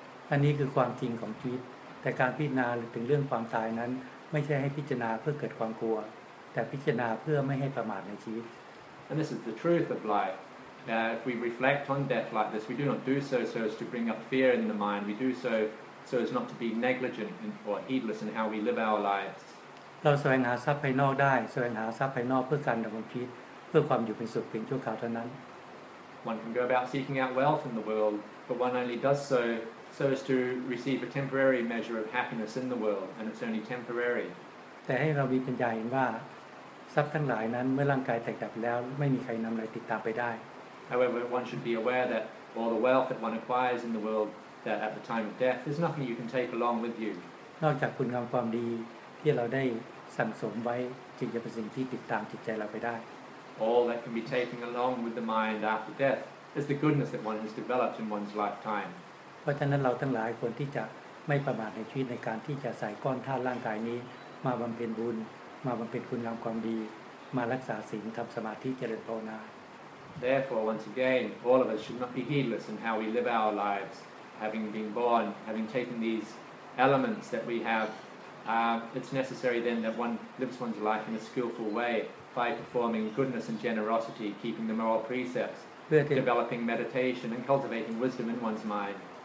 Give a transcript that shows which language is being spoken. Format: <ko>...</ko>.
<th>อันนี้คือความจริงของชีวิตแต่การพิจารณาถึงเรื่องความตายนั้นไม่ใช่ให้พิจารณาเพื่อเกิดความกลัวแต่พิจารณาเพื่อไม่ให้ประมาทในชีวิต</th> <en>And this is the truth of life. If we reflect on death like this, we do not do so as to bring up fear in the mind. We do so as not to be negligent or heedless in how we live our lives.</en> <th>เราแสวงหาทรัพย์ภายนอกได้แสวงหาทรัพย์ภายนอกเพื่อการดำรงชีวิตเพื่อความอยู่เป็นสุขเพียงชั่วคราวเท่านั้น</th> <en>One can go about seeking out wealth in the world, but one only does so as to receive a temporary measure of happiness in the world, and it's only temporary.</en> <th>แต่ให้เรามีปัญญาเห็นว่าทรัพย์ทั้งหลายนั้นเมื่อร่างกายแตกดับแล้วไม่มีใครนำอะไรติดตามไปได้</th> <en>However, one should be aware that all the wealth that one acquires in the world, that at the time of death, there's nothing you can take along with you.</en> <th>นอกจากคุณงามความดีที่เราได้สั่งสมไว้จึงจะเป็นสิ่งที่ติดตามจิตใจเราไปได้</th> <en>All that can be taken along with the mind after death is the goodness that one has developed in one's lifetime.</en> <th>ราะฉะนั้นเราทั้งหลายควรที่จะไม่ประมาทในชีวิตในการที่จะใส่ก้อนธาตุร่างกายนี้มาบำเพ็ญบุญมาบำเพ็ญคุณงามความดีมารักษาศีลทำสมาธิเจริญภาวนา</th> <en>Therefore once again all of us should not be heedless in how we live our lives having been born having taken these elements that we haveIt's necessary then that one lives one's life in a skillful way by performing goodness and generosity, keeping the moral precepts, developing meditation and cultivating wisdom in one's mind.</en>